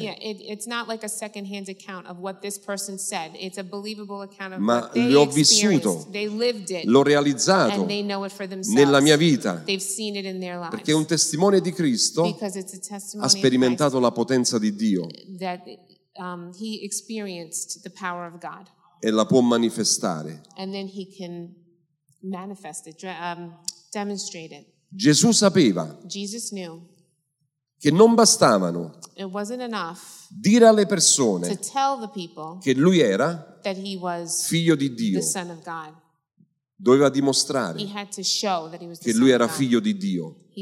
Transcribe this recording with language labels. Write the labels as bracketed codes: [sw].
[en] Yeah, it's not like a second hand account of what this person said. It's a believable account of [it] ma [en] what [it] l'ho vissuto. [en] They lived it. [it] L'ho realizzato. [en] And they know it for themselves. [it] Nella mia vita. [en] They've seen it in their lives. [it] Perché un testimone di Cristo ha sperimentato la potenza di Dio. [en] That he experienced the power of God. [it] E la può manifestare. [en] And then he can manifest it, demonstrate it. [it] Gesù sapeva che non bastavano dire alle persone che lui era figlio di Dio. Doveva dimostrare che lui era figlio di Dio.